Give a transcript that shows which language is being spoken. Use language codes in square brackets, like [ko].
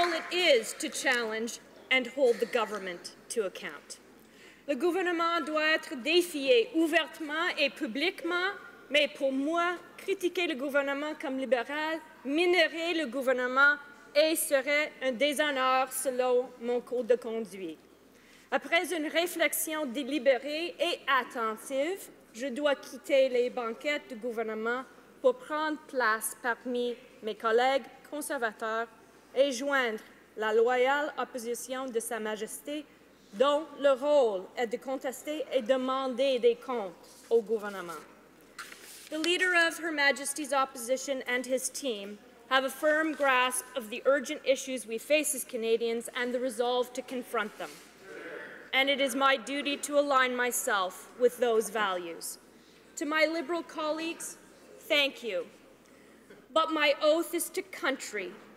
[en] Is to challenge and hold the government to account. [fr] Le gouvernement doit être défié ouvertement et publiquement, mais pour moi, critiquer le gouvernement comme libéral minerait le gouvernement et serait un déshonneur selon mon code de conduite. Après une réflexion délibérée et attentive, je dois quitter les banquettes du gouvernement pour prendre place parmi mes collègues conservateurs et joindre la loyale opposition de Sa Majesté, dont le rôle est de contester et demander des comptes au gouvernement. [en] The leader of Her Majesty's opposition and his team have a firm grasp of the urgent issues we face as Canadians and the resolve to confront them. And it is my duty to align myself with those values. To my Liberal colleagues, thank you. But my oath is to country,